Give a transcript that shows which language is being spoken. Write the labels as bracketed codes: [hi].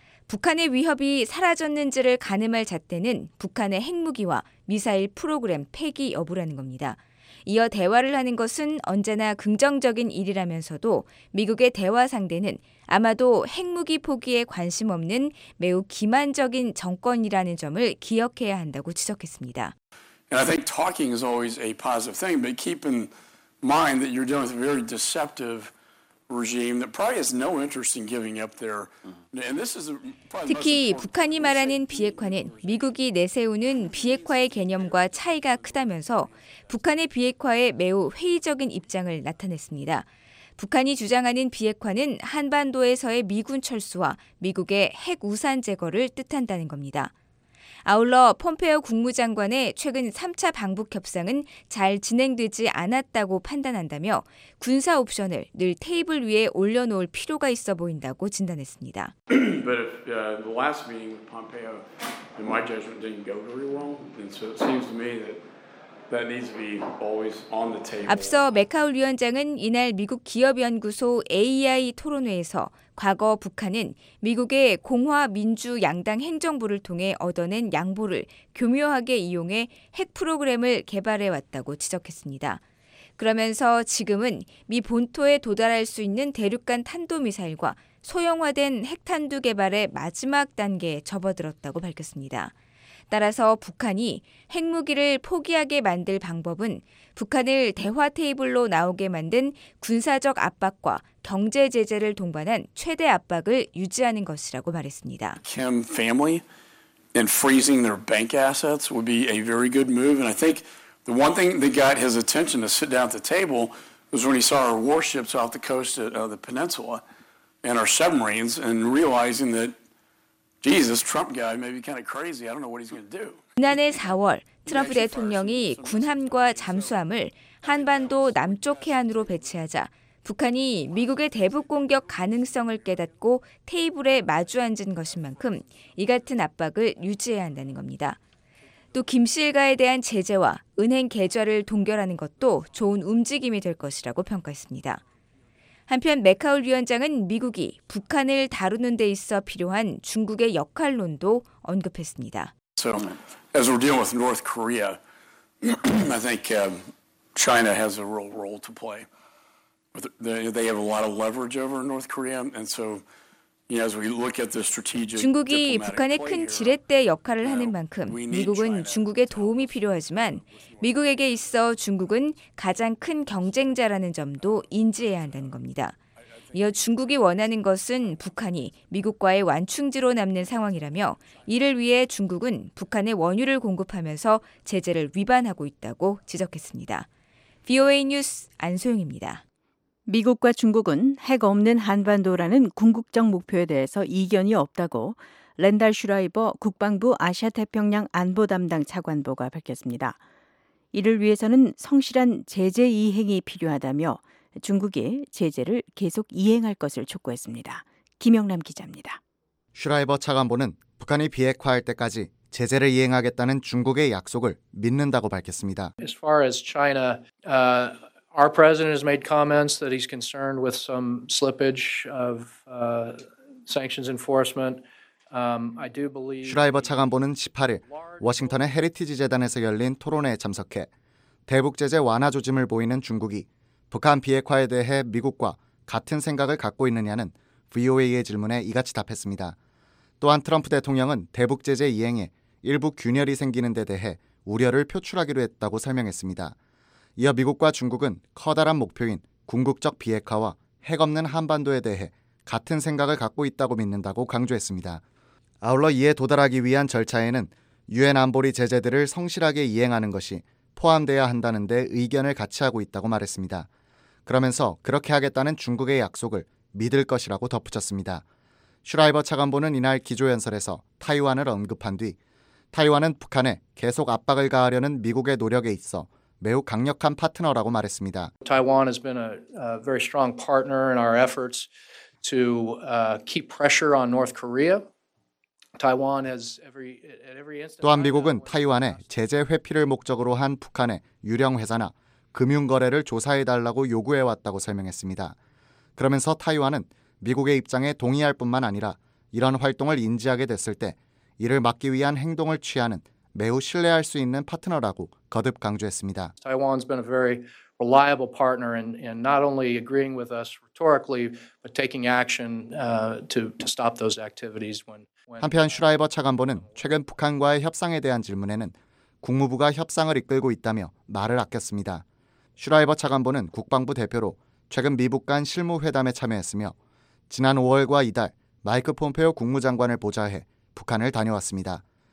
[ko] 북한의 위협이 사라졌는지를 가늠할 잣대는 북한의 핵무기와 미사일 프로그램 폐기 여부라는 겁니다. 이어 대화를 하는 것은 언제나 긍정적인 일이라면서도 미국의 대화 상대는 아마도 핵무기 포기에 관심 없는 매우 기만적인 정권이라는 점을 기억해야 한다고 지적했습니다. [en] And I think talking is always a positive thing, but keep in mind that you're dealing with a very deceptive regime that probably has no interest in giving up their. And this is probably [ko] 특히 북한이 말하는 비핵화는 미국이 내세우는 비핵화의 개념과 차이가 크다면서 북한의 비핵화에 매우 회의적인 입장을 나타냈습니다. 북한이 주장하는 비핵화는 한반도에서의 미군 철수와 미국의 핵 우산 제거를 뜻한다는 겁니다. 아울러 폼페오 국무장관의 최근 3차 방북 협상은 잘 진행되지 않았다고 판단한다며 군사 옵션을 늘 테이블 위에 올려놓을 필요가 있어 보인다고 진단했습니다. [en] But if, the last meeting with Pompeo, in my judgment, didn't go very well, and so it seems to me that. [ko] 앞서 맥하울 위원장은 이날 미국 기업연구소 AI 토론회에서 과거 북한은 미국의 공화 민주 양당 행정부를 통해 얻어낸 양보를 교묘하게 이용해 핵 프로그램을 개발해왔다고 지적했습니다. 그러면서 지금은 미 본토에 도달할 수 있는 대륙간 탄도미사일과 소형화된 핵탄두 개발의 마지막 단계에 접어들었다고 밝혔습니다. 따라서 북한이 핵무기를 포기하게 만들 방법은 북한을 대화 테이블로 나오게 만든 군사적 압박과 경제 제재를 동반한 최대 압박을 유지하는 것이라고 말했습니다. [en] Kim family and freezing their bank assets would be a very good move. And I think the one thing that got his attention to sit down at the table was when he saw our warships off the coast of the peninsula and our submarines and realizing that Jesus, Trump guy may be kind of crazy. I don't know what he's going to do. [ko] 지난해 4월 트럼프 대통령이 군함과 잠수함을 한반도 남쪽 해안으로 배치하자 북한이 미국의 대북 공격 가능성을 깨닫고 테이블에 마주 앉은 것인 만큼 이 같은 압박을 유지해야 한다는 겁니다. 또 김씨 일가에 대한 제재와 은행 계좌를 동결하는 것도 좋은 움직임이 될 것이라고 평가했습니다. 한편 맥하울 위원장은 미국이 북한을 다루는 데 있어 필요한 중국의 역할론도 언급했습니다. [en] So as we're dealing with North Korea, I think China has a real role to play. They have a lot of leverage over North Korea, and so as we look at the strategic [ko] 중국이 북한의 큰 지렛대 역할을 하는 만큼 미국은 중국의 도움이 필요하지만 미국에게 있어 중국은 가장 큰 경쟁자라는 점도 인지해야 한다는 겁니다. 이어 중국이 원하는 것은 북한이 미국과의 완충지로 남는 상황이라며 이를 위해 중국은 북한에 원유를 공급하면서 제재를 위반하고 있다고 지적했습니다. VOA 뉴스 안소영입니다. 미국과 중국은 핵 없는 한반도라는 궁극적 목표에 대해서 이견이 없다고 랜달 슈라이버 국방부 아시아태평양 안보 담당 차관보가 밝혔습니다. 이를 위해서는 성실한 제재 이행이 필요하다며 중국이 제재를 계속 이행할 것을 촉구했습니다. 김영남 기자입니다. 슈라이버 차관보는 북한이 비핵화할 때까지 제재를 이행하겠다는 중국의 약속을 믿는다고 밝혔습니다. [en] As far as China, Our president has made comments that he's concerned with some slippage of sanctions enforcement. I do believe. [ko] 슈라이버 차관보는 18일 워싱턴의 헤리티지 재단에서 열린 토론회에 참석해 대북 제재 완화 조짐을 보이는 중국이 북한 비핵화에 대해 미국과 같은 생각을 갖고 있느냐는 VOA의 질문에 이같이 답했습니다. 또한 트럼프 대통령은 대북 제재 이행에 일부 균열이 생기는 데 대해 우려를 표출하기로 했다고 설명했습니다. 이어 미국과 중국은 커다란 목표인 궁극적 비핵화와 핵 없는 한반도에 대해 같은 생각을 갖고 있다고 믿는다고 강조했습니다. 아울러 이에 도달하기 위한 절차에는 유엔 안보리 제재들을 성실하게 이행하는 것이 포함되어야 한다는 데 의견을 같이 하고 있다고 말했습니다. 그러면서 그렇게 하겠다는 중국의 약속을 믿을 것이라고 덧붙였습니다. 슈라이버 차관보는 이날 기조연설에서 타이완을 언급한 뒤 타이완은 북한에 계속 압박을 가하려는 미국의 노력에 있어 매우 강력한 파트너라고 말했습니다. [en] Taiwan has been a very strong partner in our efforts to keep pressure on North Korea. Taiwan has every instance. [ko] 또한 미국은 타이완에 제재 회피를 목적으로 한 북한의 유령 회사나 금융 거래를 조사해 달라고 요구해 왔다고 설명했습니다. 그러면서 타이완은 미국의 입장에 동의할 뿐만 아니라 이런 활동을 인지하게 됐을 때 이를 막기 위한 행동을 취하는 매우 신뢰할 수 있는 파트너라고 거듭 강조했습니다. [en] Taiwan's been a very reliable partner in not only agreeing with us rhetorically but taking action to stop those activities when [ko] 한편 슈라이버 차관보는 최근 북한과의 협상에 대한 질문에는 국무부가 협상을 이끌고 있다며 말을 아꼈습니다. 슈라이버 차관보는 국방부 대표로 최근 미북 간 실무 회담에 참여했으며 지난 5월과 이달 마이크 폼페오 국무장관을 보좌해 북한을 다녀왔습니다.